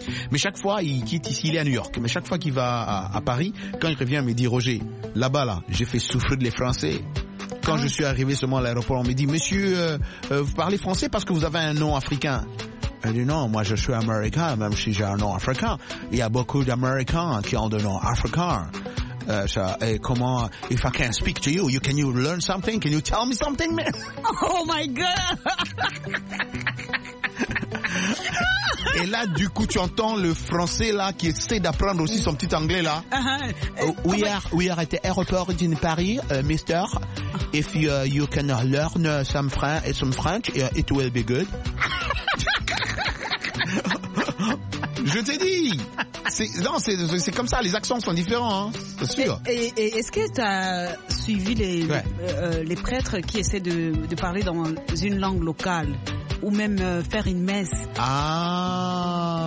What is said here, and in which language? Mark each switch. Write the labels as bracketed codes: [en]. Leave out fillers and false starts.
[fr] Mais chaque fois, il quitte ici, il est à New York. Mais chaque fois qu'il va à Paris, quand il revient, il me dit, Roger, là-bas, là, j'ai fait souffrir les Français. Quand je suis arrivé seulement à l'aéroport, on me dit, monsieur, vous parlez français parce que vous avez un nom africain. Elle dit non, moi je suis américain, même si j'ai un nom africain. Il y a beaucoup d'Américains qui ont des noms africains. Et comment, [en] if I can't speak to you, can you learn something? Can you tell me something, man? Oh my God! [fr] Et là, du coup, tu entends le français là qui essaie d'apprendre aussi son petit anglais là. [en] We are at the airport in Paris, mister. If you can learn some French, it will be good. [fr] Je t'ai dit. C'est comme ça, les accents sont différents, hein, c'est sûr. Et est-ce que tu as suivi les prêtres qui essaient de parler dans une langue locale ou même faire une messe? Ah.